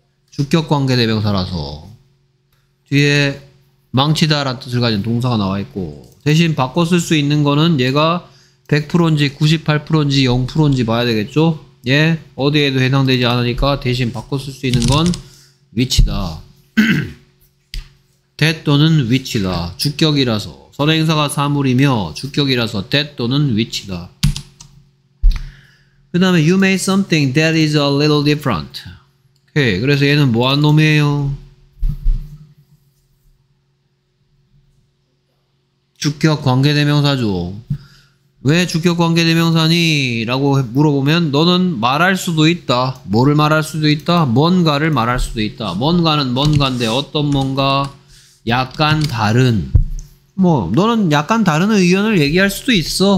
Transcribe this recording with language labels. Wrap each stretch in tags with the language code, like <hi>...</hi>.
<ko>주격 관계대명사라서. 뒤에 망치다 라는 뜻을 가진 동사가 나와있고 대신 바꿔 쓸 수 있는 거는 얘가 100%인지 98%인지 0%인지 봐야 되겠죠. 예, 어디에도 해당되지 않으니까 대신 바꿔 쓸 수 있는 건 위치다. that 또는 위치다. 주격이라서. 선행사가 사물이며 주격이라서 that 또는 위치다. 그 다음에</ko> <en>you made something that is a little different.</en> <ko>오케이. 그래서 얘는 뭐한 놈이에요? 주격 관계대명사죠. 왜 주격 관계대명사니? 라고 물어보면 너는 말할 수도 있다. 뭐를 말할 수도 있다? 뭔가를 말할 수도 있다. 뭔가는 뭔가인데 어떤 뭔가 약간 다른 뭐 너는 약간 다른 의견을 얘기할 수도 있어.</ko>